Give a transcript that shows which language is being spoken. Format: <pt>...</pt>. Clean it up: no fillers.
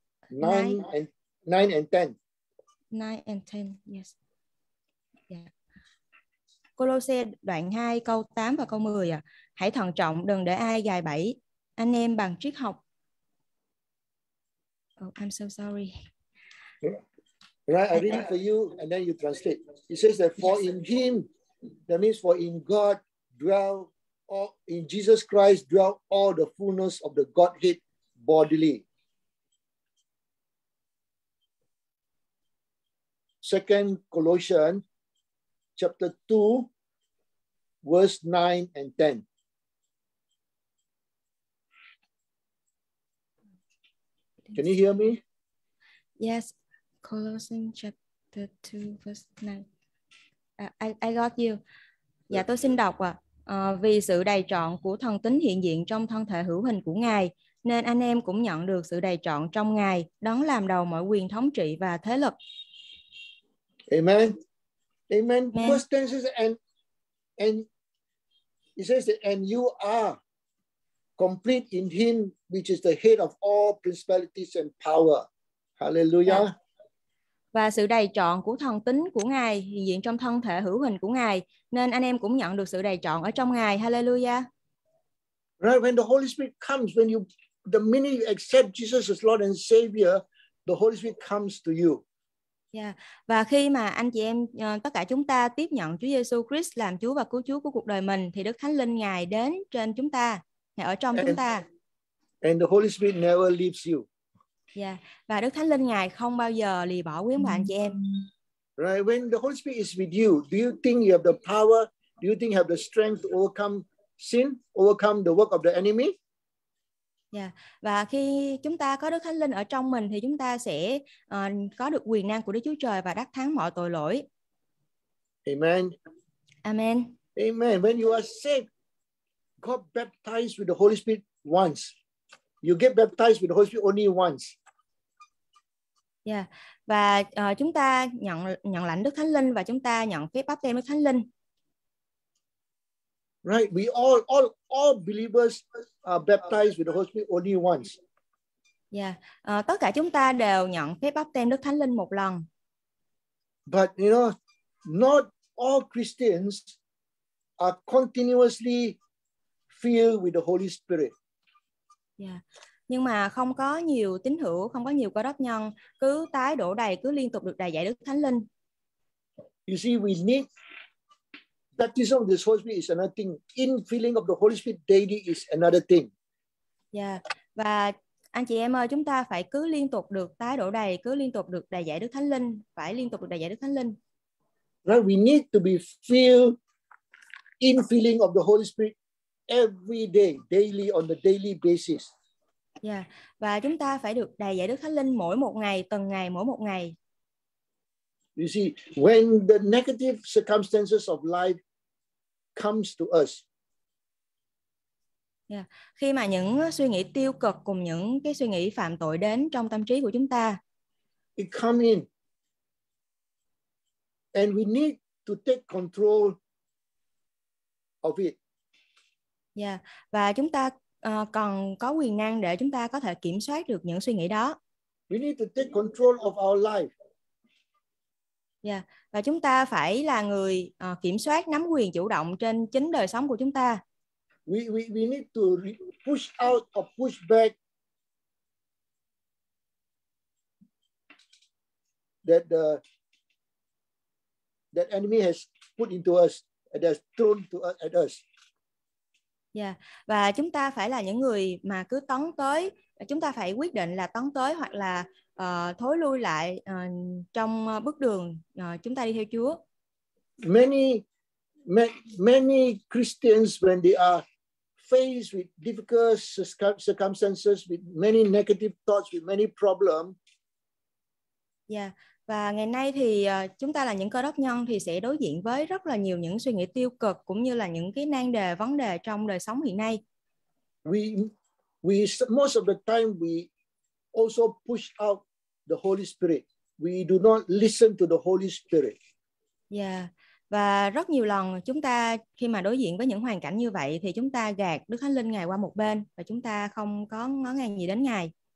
<en>9 and 10, yes. Yeah.</en> <vi>Colossae đoạn 2 câu 8 và câu 10 à. Hãy thận trọng đừng để ai gài bẫy anh em bằng triết học.</vi> <en>Oh, I'm so sorry. Right, I read it for you and then you translate. It says that for in him, that means for in God dwell all, in Jesus Christ dwell all the fullness of the Godhead bodily. 2 Colossians chapter 2 verse 9 and 10. Can you hear me? Yes, Colossians chapter 2 verse 9. I got you.</en> <vi>Dạ tôi xin đọc ạ. Vì sự đầy trọn của thần tính hiện diện trong thân thể hữu hình của Ngài, nên anh em cũng nhận được sự đầy trọn trong Ngài, đấng làm đầu mọi quyền thống trị và thế lực.</vi> <en>Amen. Amen. Amen. First tense is and it says that and you are complete in him, which is the head of all principalities and power. Hallelujah.</en> <vi>Và sự đầy trọn của thần tính của Ngài hiện diện trong thân thể hữu hình của Ngài, nên anh em cũng nhận được sự đầy trọn ở trong Ngài.</vi> <en>Hallelujah. Right, when the Holy Spirit comes, when you the minute you accept Jesus as Lord and Savior, the Holy Spirit comes to you.</en> <vi>Và khi mà anh chị em tất cả chúng ta tiếp nhận Chúa Giêsu Christ làm Chúa và cứu Chúa của cuộc đời mình thì Đức Thánh Linh Ngài đến trên chúng ta, Ngài ở trong chúng ta.</vi> <en>And the Holy Spirit never leaves you. Yeah.</en> <vi>Và Đức Thánh Linh Ngài không bao giờ lìa bỏ quý ông bà anh chị em.</vi> <en>Right, when the Holy Spirit is with you, do you think you have the power? Do you think you have the strength to overcome sin, overcome the work of the enemy? Yeah.</en> <vi>Và khi chúng ta có Đức Thánh Linh ở trong mình thì chúng ta sẽ có được quyền năng của Đức Chúa Trời và đắc thắng mọi tội lỗi.</vi> <en>Amen. Amen. Amen. When you are saved, got baptized with the Holy Spirit once. You get baptized with the Holy Spirit only once. Yeah.</en> <vi>Và chúng ta nhận lãnh Đức Thánh Linh và chúng ta nhận phép báp têm Đức Thánh Linh.</vi> <en>Right, we all believers are baptized with the Holy Spirit only once.</en> <vi>Yeah, tất cả chúng ta đều nhận phép báp têm Đức Thánh Linh một lần.</vi> <en>But you know, not all Christians are continuously filled with the Holy Spirit.</en> <vi>Yeah, nhưng mà không có nhiều tín hữu, không có nhiều cơ đốc nhân cứ tái đổ đầy, cứ liên tục được đầy dạy Đức Thánh Linh.</vi> <en>You see, we need. Baptism of the Holy Spirit is another thing. Infilling of the Holy Spirit daily is another thing. Yeah.</en> <vi>Và anh chị em ơi, chúng ta phải cứ liên tục được tái đổ đầy, cứ liên tục được đầy dạy Đức Thánh Linh, phải liên tục được đầy dạy Đức Thánh Linh.</vi> <en>Right, we need to be filled infilling of the Holy Spirit every day, daily on the daily basis. Yeah.</en> <vi>Và chúng ta phải được đầy dạy Đức Thánh Linh mỗi một ngày, từng ngày, mỗi một ngày.</vi> <en>You see, when the negative circumstances of life comes to us. Yeah.</en> <vi>Khi mà những suy nghĩ tiêu cực cùng những cái suy nghĩ phạm tội đến trong tâm trí của chúng ta.</vi> <en>It come in. And we need to take control of it. Yeah.</en> <vi>Và chúng ta cần có quyền năng để chúng ta có thể kiểm soát được những suy nghĩ đó.</vi> <en>We need to take control of our life. Yeah.</en> <vi>Và chúng ta phải là người kiểm soát, nắm quyền chủ động trên chính đời sống của chúng ta.</vi> <en>We need to push out or push back that that enemy has put into us, that has thrown to us, at us. Yeah.</en> <vi>Và chúng ta phải là những người mà cứ tấn tới, chúng ta phải quyết định là tấn tới hoặc là thối lui lại trong bước đường chúng ta đi theo Chúa.</vi> <en>Many Christians when they are faced with difficult circumstances, with many negative thoughts, with many problems. Yeah.</en> <vi>Và ngày nay thì chúng ta là những cơ đốc nhân thì sẽ đối diện với rất là nhiều những suy nghĩ tiêu cực cũng như là những cái nan đề, vấn đề trong đời sống hiện nay.</vi> <en>We most of the time we also push out the Holy Spirit. We do not listen to the Holy Spirit. Yeah.</en> <vi>Và rất nhiều lần chúng ta khi mà đối diện với những hoàn cảnh như vậy thì chúng ta gạt Đức Thánh Linh Ngài qua một bên và chúng ta không có ngó ngàng gì đến Ngài.</vi>